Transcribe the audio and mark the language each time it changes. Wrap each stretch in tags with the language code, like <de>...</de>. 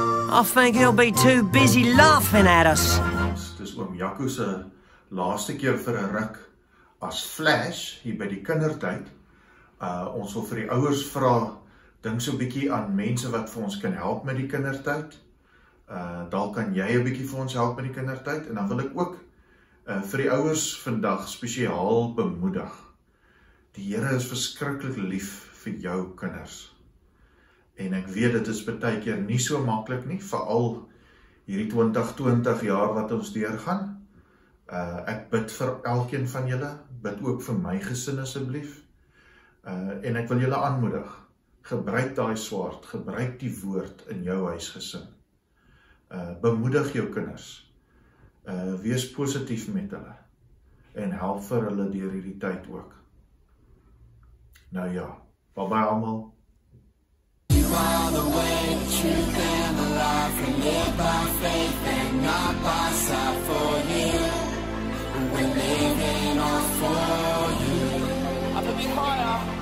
<en>I think he'll be too busy laughing at us.</en> <af>Dis oom Jaco se laaste keer vir 'n ruk as Flash hier by die kindertyd. Ons wil vir die ouers vra, dink so 'n bietjie aan mense wat vir ons kan help met die kindertyd. Dalk kan jy 'n bietjie vir ons help met die kindertyd en dan wil ek ook vir die ouers vandag spesiaal bemoedig. Die Here is verskriklik lief vir jou kinders. En ek weet dit is baie keer nie so maklik nie, veral hierdie 2020 jaar wat ons deurgaan. Ek bid vir elkeen van julle, bid ook vir my gesin asseblief. En ek wil julle aanmoedig, gebruik daai swaard, gebruik die woord in jou huisgesin. Bemoedig jou kinders. Wees positief met hulle en help vir hulle deur hierdie tyd ook. Nou ja, bye-bye almal.</af> <en>You are the way, the truth and the life, and live by faith and not by sight for you. We're living all for you. Up a bit higher.</en>